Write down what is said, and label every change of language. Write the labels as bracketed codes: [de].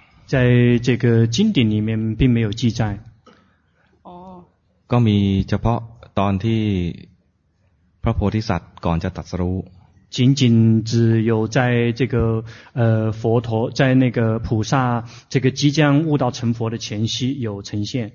[zh] ใจ这个经典里面并没有记载 [th] ก็มีเฉพาะตอนที่พระโพธิสัตว์ก่อนจะตรัสรู้ [zh] 仅仅只有在这个佛陀在那个菩萨这个即将悟道成佛的前夕有呈现